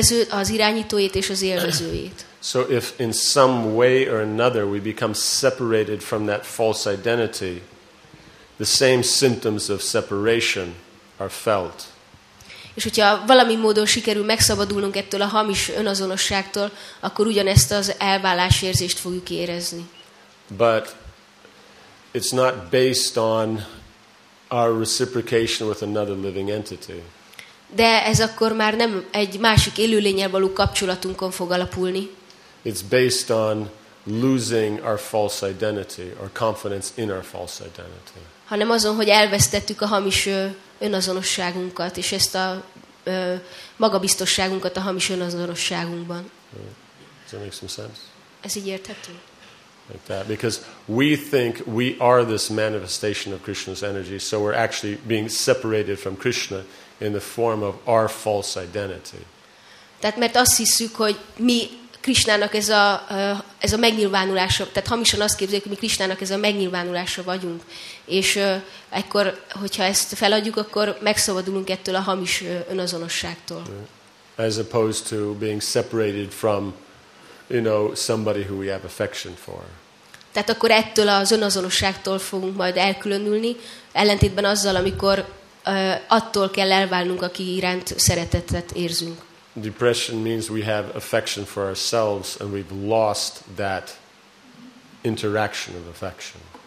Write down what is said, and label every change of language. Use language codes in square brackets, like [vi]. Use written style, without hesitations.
[hu] Az irányítóját és az élvezőjét. [en] So if in some way or another we become separated from that false identity, the same symptoms of separation are felt. [hu] És hogyha valami módon sikerül megszabadulnunk ettől a hamis önazonosságtól, akkor ugyanezt az elválás érzést fogjuk érezni. [en] But it's not based on our reciprocation with another living entity. [hu] De ez akkor már nem egy másik élőlénnyel való kapcsolatunkon fog alapulni. [en] It's based on losing our false identity or confidence in our false identity. [hu] Hanem azon, hogy elvesztettük a hamis önazonosságunkat és ezt a magabiztosságunkat a hamis önazonosságunkban. [en] Does that make some sense? [hu] Ez így érthető? [en] Like that, because we think we are this manifestation of Krishna's energy, so we're actually being separated from Krishna in the form of our false identity. [hu] Tehát mert azt hiszük, hogy mi Krishnának ez a megnyilvánulása, tehát hamisan azt képzeljük, hogy mi Krishnának ez a megnyilvánulása vagyunk, és ekkor, hogyha ezt feladjuk, akkor megszabadulunk ettől a hamis önazonosságtól. [en] As opposed to being separated from, you know, somebody who we have affection for. [hu] Tehát akkor ettől az önazonosságtól fogunk majd elkülönülni, ellentétben azzal, amikor attól kell elválnunk, aki iránt szeretetet érzünk. [en] Depression means we have affection for ourselves and we've lost that interaction of affection.